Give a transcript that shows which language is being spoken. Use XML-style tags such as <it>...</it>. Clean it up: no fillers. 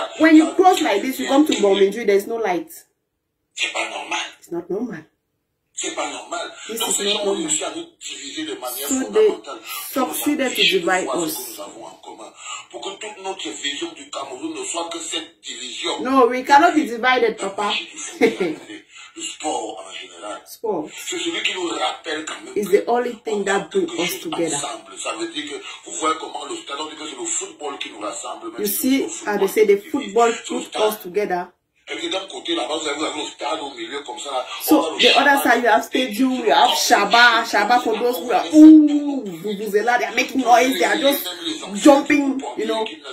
<en>When you cross like this, you come to Bomenjui, there is no light. It's not normal.</en> <fr>C'est pas normal. Donc, ces gens ont réussi à nous diviser de manière fondamentale. Pour que nous avons en commun. Pour que toute notre vision du Cameroun ne soit que cette division.</fr> <en>Non, we cannot be divided, papa.</en> <fr>Le sport en général. Sport. C'est celui qui nous rappelle quand même.</fr> <en>It's the only thing that brings us together.</en> <fr>Ensemble. Ça veut dire que vous voyez comment le stade, on dit que c'est le feu. football qui nous rassemble.</fr> <en>You see, how they say the football put us together. So the other side, you have stadium, you have shaba for those who are vuvuzela. They are making noise. They are just jumping, you know.</en>